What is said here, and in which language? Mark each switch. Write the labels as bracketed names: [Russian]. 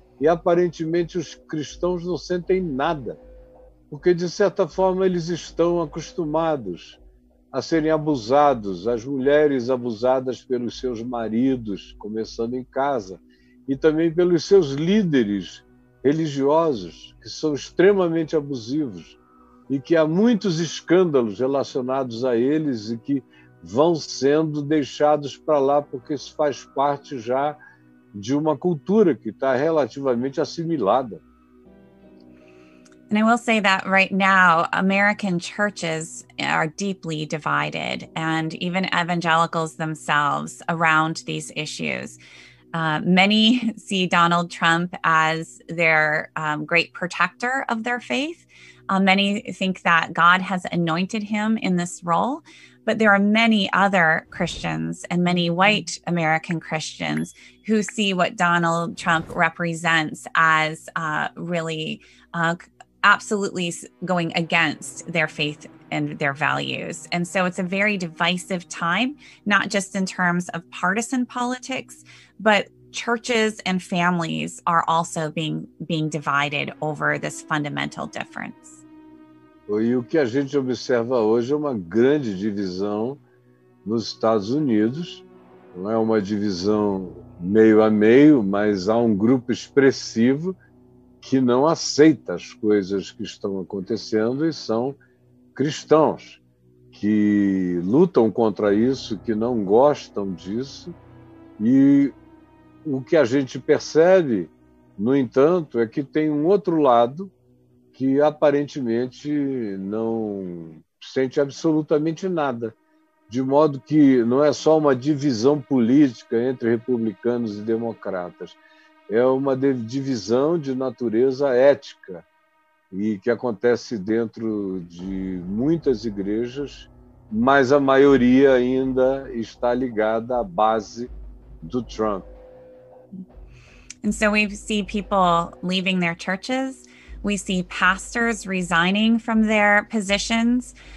[Portuguese] E aparentemente os cristãos não sentem nada, porque de certa forma eles estão acostumados a serem abusados, as mulheres abusadas pelos seus maridos, começando em casa, e também pelos seus líderes religiosos, que são extremamente abusivos, e que há muitos escândalos relacionados a eles e que vão sendo deixados para lá, porque isso faz parte já de uma cultura que está relativamente assimilada. [English] And I will say that right now, American churches are deeply divided, and even evangelicals themselves around these issues. Many see Donald Trump as their great protector of their faith. Many think that God has anointed him in this role, but there are many other Christians and many white American Christians who see what Donald Trump represents as really absolutely going against their faith and their values. And so it's a very divisive time, not just in terms of partisan politics, but churches and families are also being divided over this fundamental difference. [Portuguese] E o que a gente observa hoje é uma grande divisão nos Estados Unidos. Não é uma divisão meio a meio, mas há grupo expressivo que não aceita as coisas que estão acontecendo e são cristãos que lutam contra isso, que não gostam disso. E o que a gente percebe, no entanto, é que tem outro lado que aparentemente não sente absolutamente nada, de modo que não é só uma divisão política entre republicanos e democratas, é uma divisão de natureza ética e que acontece dentro de muitas igrejas, mas a maioria ainda está ligada à base do Trump. [English] And so we see people leaving their churches. We see pastors resigning from their positions.